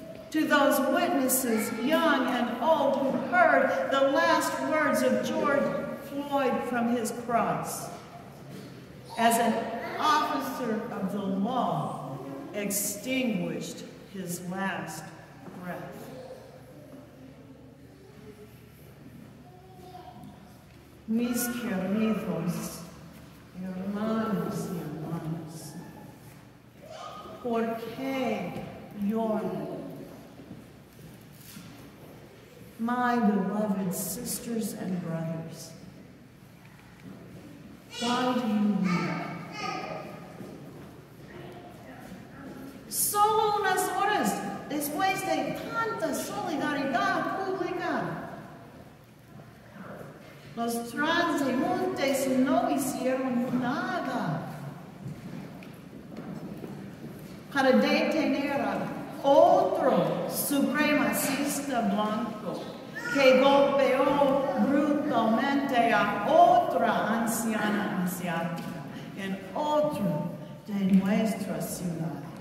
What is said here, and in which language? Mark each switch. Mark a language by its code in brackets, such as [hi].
[en] To those witnesses, young and old, who heard the last words of George Floyd from his cross. As an officer of the law, extinguished his last breath. [es] Mis queridos, hermanos y hermanas, ¿por qué lloran? [en] My beloved sisters and brothers, why do you weep? [es] Solo unas horas después de tanta solidaridad pública, los transeúntes no hicieron nada para detener a otro supremacista blanco que golpeó brutalmente a otra anciana asiática en otro de nuestras ciudades.